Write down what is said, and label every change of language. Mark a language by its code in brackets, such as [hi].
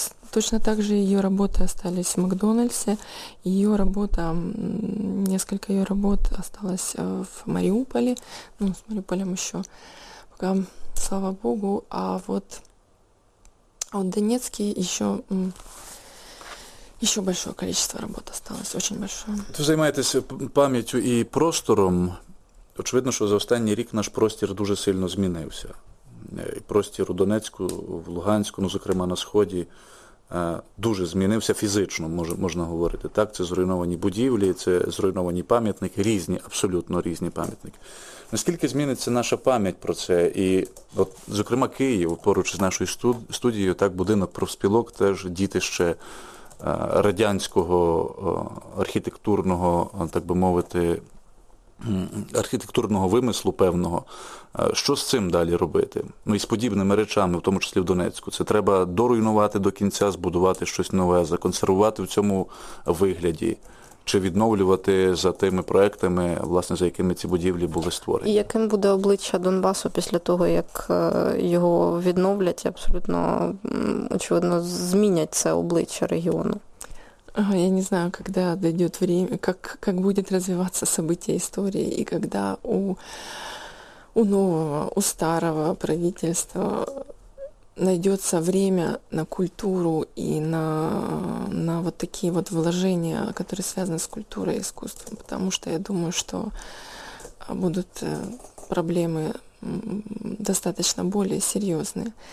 [ru] Точно так же ее работы остались в Макдональдсе, несколько ее работ осталось в Мариуполе, ну, с Мариуполем еще пока, слава богу, а вот в Донецке еще большое количество работ осталось, очень большое. [uk] Ви займаєтеся пам'яттю і простором. Очевидно, що за останній рік наш простір дуже сильно змінився. І простір у Донецьку, в Луганську, ну, зокрема, на Сході, дуже змінився фізично, можна говорити так. Це зруйновані будівлі, це зруйновані пам'ятники, різні, абсолютно різні пам'ятники. Наскільки зміниться наша пам'ять про це? І от, зокрема, Київ поруч з нашою студією, так, будинок профспілок, теж дітище радянського архітектурного, так би мовити, архітектурного вимислу певного. Що з цим далі робити? Ну і з подібними речами, в тому числі в Донецьку. Це треба доруйнувати до кінця, збудувати щось нове, законсервувати в цьому вигляді. Чи відновлювати за тими проектами, власне, за якими ці будівлі були створені? І яким буде обличчя Донбасу після того, як його відновлять, абсолютно, очевидно, змінять це обличчя регіону? [ru] Я не знаю, когда дойдет время, как будет развиваться события истории, и когда у нового, у старого правительства найдется время на культуру и на вот такие вот вложения, которые связаны с культурой и искусством, потому что я думаю, что будут проблемы достаточно более серьезные.